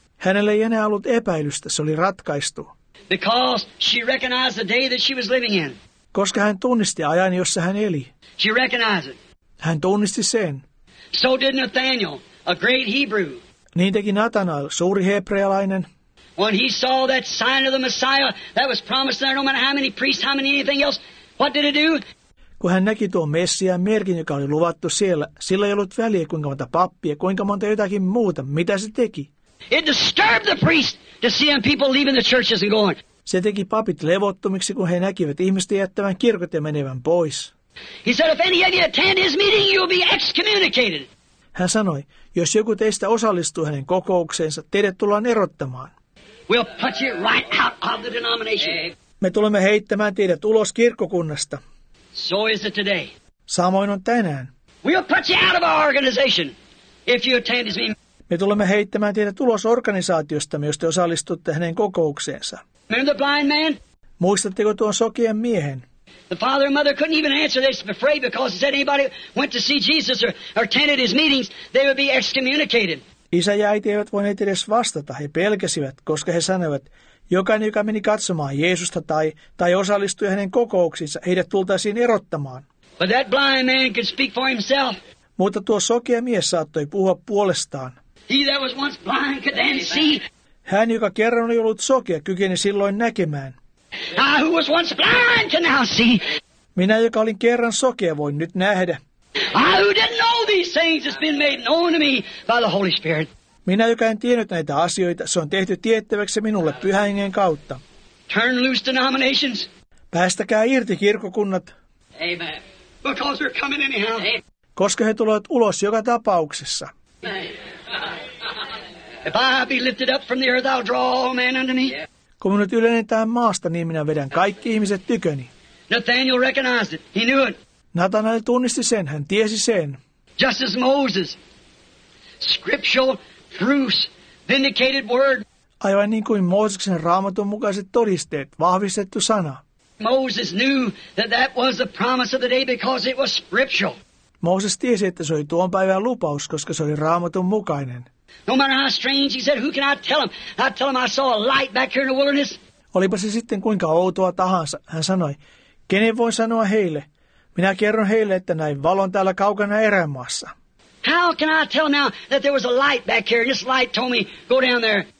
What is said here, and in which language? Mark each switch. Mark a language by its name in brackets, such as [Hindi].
[Finnish] Hänelle ei enää ollut epäilystä, se oli ratkaistu. [English] Because she recognized the day that she was living in. [Finnish] Koska hän tunnisti ajan, jossa hän eli. [English] She recognized it. [Finnish] Hän tunnisti sen. [English] So did Nathaniel, a great Hebrew. [Finnish] Niin teki Nathanael, suuri hebrealainen. [English] When he saw that sign of the Messiah that was promised there, no matter how many priests, how many anything else, what did it do? [Finnish] Kun hän näki tuon Messiaan merkin, joka oli luvattu siellä, sillä ei ollut väliä, kuinka monta pappia, kuinka monta jotakin muuta, mitä se teki. [English] It disturbed the priest to see them people leaving the churches and going. [Finnish] Se teki papit levottomiksi, kun he näkivät ihmisten jättävän kirkot ja menevän pois. [English] He said, if any of you attend his meeting, you'll be excommunicated. [Finnish] Hän sanoi, jos joku teistä osallistuu hänen kokoukseensa, teidät tullaan erottamaan. [English] We'll put you right out of the denomination. [Finnish] Me tulemme heittämään teidät ulos kirkkokunnasta. [English] So is it today. [Finnish] Samoin on tänään. [English] We'll put you out of our organization if you attend his meeting. [Finnish] Me tulemme heittämään teidät ulos organisaatiosta, jos te osallistutte hänen kokoukseensa. [English] Remember the blind man? [Finnish] Muistatteko tuon sokien miehen? [English] The father and mother couldn't even answer this afraid because if anybody went to see Jesus or attended his meetings, they would be excommunicated. [Finnish] Isä ja äiti eivät voineet edes vastata. He pelkäsivät, koska he sanoivat, jokainen, joka meni katsomaan Jeesusta tai osallistui hänen kokouksiinsa, heidät tultaisiin erottamaan. [English] But that blind man could speak for himself. [Finnish] Mutta tuo sokea mies saattoi puhua puolestaan. [English] He that was once blind could then see. [Finnish] Hän, joka kerran oli ollut sokea, kykeni silloin näkemään. [English] I who was once blind can now see. [Finnish] Minä, joka olin kerran sokea, voin nyt nähdä. [English] I who didn't know these things has been made known to me by the Holy Spirit. [Finnish] Minä, joka en tiennyt näitä asioita, se on tehty tiettäväksi minulle Pyhän Hengen kautta. [English] Turn loose denominations. [Finnish] Päästäkää irti kirkkokunnat. [English] Amen. Because we're coming anyhow. [Finnish] Koska he tulevat ulos joka tapauksessa. [English] If I be lifted up from the earth, I'll draw all men unto me. [Finnish] Kun minut ylennetään maasta, niin minä vedän kaikki ihmiset tyköni. [English] Nathaniel recognized it. He knew it. [Finnish] Nathanael tunnisti sen, hän tiesi sen. [English] Just as Moses, scriptural proofs, vindicated word. [Finnish] Aivan niin kuin Mooseksen raamatun mukaiset todisteet, vahvistettu sana. [English] Moses knew that that was the promise of the day because it was scriptural. [Finnish] Mooses tiesi, että se oli tuon päivän lupaus, koska se oli raamatun mukainen. [English] No matter how strange, he said, who can I tell him? I tell him I saw a light back here in the wilderness. [Finnish] Olipa se sitten kuinka outoa tahansa, hän sanoi, kenen voin sanoa heille? Minä kerron heille, että näin valon täällä kaukana erämaassa. [English] How can I tell now that there was a light back here? This light told me, go down there.